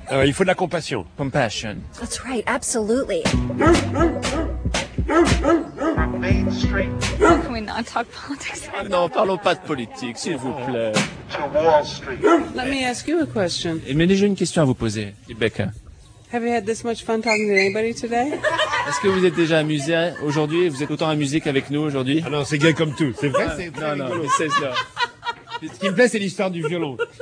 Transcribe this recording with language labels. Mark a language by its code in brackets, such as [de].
[fr] Il faut de la compassion. Compassion. [en] That's right, absolutely. Can we not talk politics? [fr] Non, parlons pas de politique, s'il vous plaît. [en] To Wall Street. Let me ask you a question. [fr] Mais j'ai une question à vous poser, Rebecca. [en] Have you had this much fun talking to anybody today? [fr] Est-ce que vous êtes déjà amusé aujourd'hui? Vous êtes autant amusé qu'avec nous aujourd'hui? Ah non, c'est gay comme tout. C'est vrai, c'est non, rigolo. Non, mais c'est ça. Ce qui me plaît, c'est l'histoire du violon.